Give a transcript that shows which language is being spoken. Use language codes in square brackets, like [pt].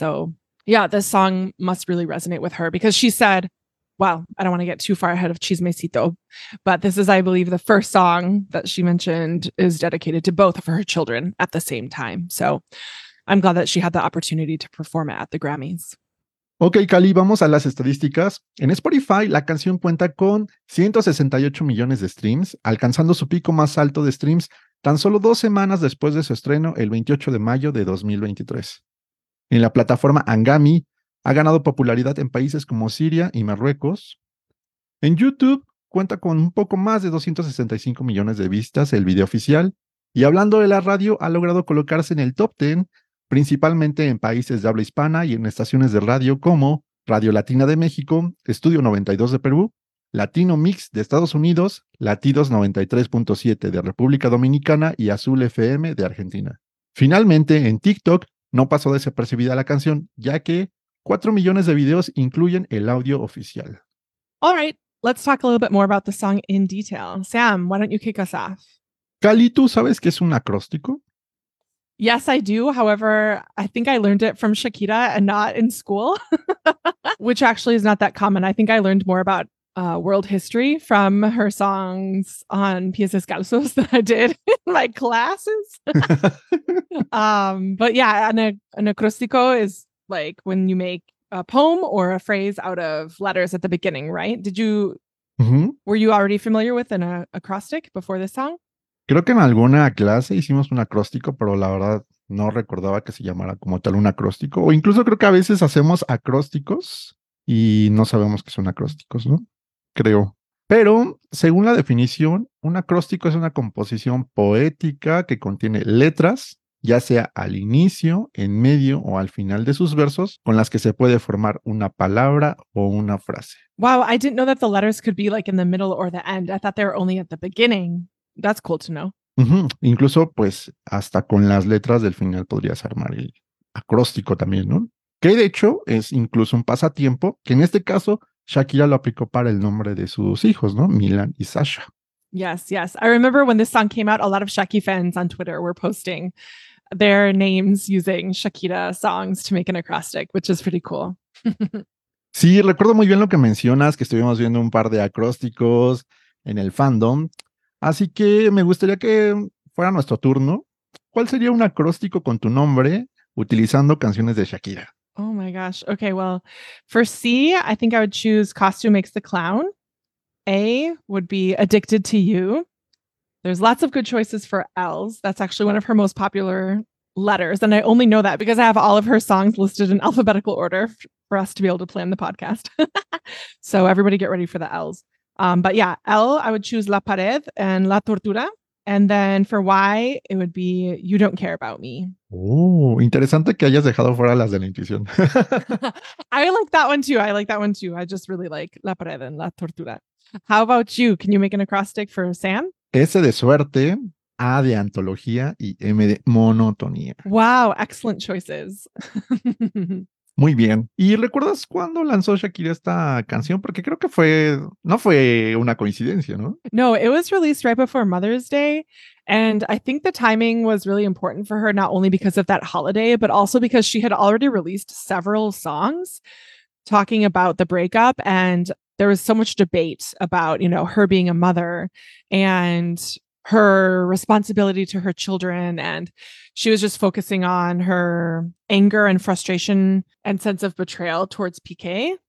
[en] So yeah, this song must really resonate with her because she said, well, I don't want to get too far ahead of Chismecito, but this is, I believe, the first song that she mentioned is dedicated to both of her children at the same time. So I'm glad that she had the opportunity to perform it at the Grammys. [es] Ok, Cali, vamos a las estadísticas. En Spotify, la canción cuenta con 168 millones de streams, alcanzando su pico más alto de streams tan solo 2 semanas después de su estreno, el 28 de mayo de 2023. En la plataforma Angami, ha ganado popularidad en países como Siria y Marruecos. En YouTube, cuenta con un poco más de 265 millones de vistas el video oficial. Y hablando de la radio, ha logrado colocarse en el top 10, principalmente en países de habla hispana y en estaciones de radio como Radio Latina de México, Estudio 92 de Perú, Latino Mix de Estados Unidos, Latidos 93.7 de República Dominicana y Azul FM de Argentina. Finalmente, en TikTok no pasó desapercibida la canción, ya que 4 millones de videos incluyen el audio oficial. [en] All right, let's talk a little bit more about the song in detail. Sam, why don't you kick us off? [es] Cali, ¿tú sabes qué es un acróstico? [en] Yes, I do. However, I think I learned it from Shakira and not in school, which actually is not that common. I think I learned more about world history from her songs on Pies Descalzos than I did in my classes. but yeah, an acróstico is like when you make a poem or a phrase out of letters at the beginning, right? Were you already familiar with an acróstic before this song? [es] Creo que en alguna clase hicimos un acróstico, pero la verdad no recordaba que se llamara como tal un acróstico. O incluso creo que a veces hacemos acrósticos y no sabemos que son acrósticos, ¿no? Creo. Pero según la definición, un acróstico es una composición poética que contiene letras, ya sea al inicio, en medio o al final de sus versos, con las que se puede formar una palabra o una frase. Wow, I didn't know that the letters could be like in the middle or the end. I thought they were only at the beginning. That's cool to know. Incluso, pues, hasta con las letras del final podrías armar el acróstico también, ¿no? que de hecho es incluso un pasatiempo que en este caso Shakira lo aplicó para el nombre de sus hijos, ¿no? Milan y Sasha. [en] Yes, yes. I remember when this song came out, a lot of Shakira fans on Twitter were posting their names using Shakira songs to make an acrostic, which is pretty cool. [es] Sí, recuerdo muy bien lo que mencionas, que estuvimos viendo un par de acrósticos en el fandom. Así que me gustaría que fuera nuestro turno. ¿Cuál sería un acróstico con tu nombre utilizando canciones de Shakira? [en] Oh my gosh. Okay, well, for C, I think I would choose Costume Makes the Clown. A would be Addicted to You. There's lots of good choices for L's. That's actually one of her most popular letters. And I only know that because I have all of her songs listed in alphabetical order for us to be able to plan the podcast. So everybody get ready for the L's. But yeah, L, I would choose La Pared and La Tortura. And then for Y, it would be You Don't Care About Me. [es] Oh, interesante que hayas dejado fuera las de la intuición. [en] I like that one too. I just really like La Pared and La Tortura. How about you? Can you make an acrostic for Sam? [es] S de suerte, A de antología y M de monotonía. [en] Wow, excellent choices. [es] Muy bien. ¿Y recuerdas cuándo lanzó Shakira esta canción? Porque creo que no fue una coincidencia, ¿no? [en] No, it was released right before Mother's Day. And I think the timing was really important for her, not only because of that holiday, but also because she had already released several songs talking about the breakup. And there was so much debate about, you know, her being a mother and her responsibility to her children, and she was just focusing on her anger and frustration and sense of betrayal towards Piqué.